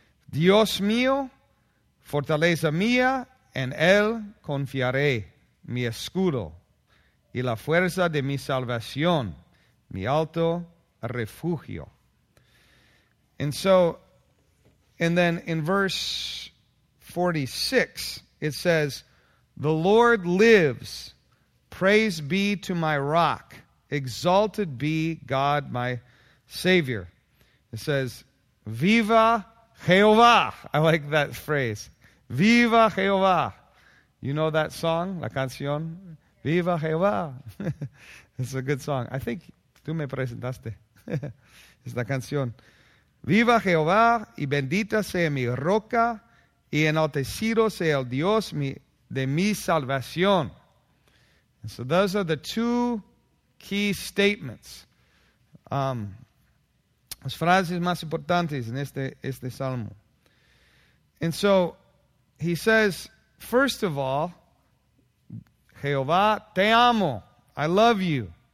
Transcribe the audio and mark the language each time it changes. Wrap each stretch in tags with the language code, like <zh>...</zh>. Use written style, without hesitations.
<es>Dios mío, fortaleza mía, en él confiaré, mi escudo y la fuerza de mi salvación, mi alto refugio.</es> <en>And so, and then in verse 46, it says, the Lord lives, praise be to my rock. Exalted be God, my Savior. It says,</en> <es>Viva Jehovah.</es> <en>I like that phrase.</en> <es>Viva Jehová.</es> <en>You know that song, La Canción?</en> <es>Viva Jehová.</es> <en>It's a good song. I think</en> <es>tú me presentaste. Es la canción. Viva Jehová y bendita sea mi roca y enaltecido sea el Dios de mi salvación.</es> <en>And so those are the two key statements.</en> <es>Las frases más importantes en este salmo.</es> <en>And so he says, first of all,</en> <es>Jehová, te amo.</es> <en>I love you.</en>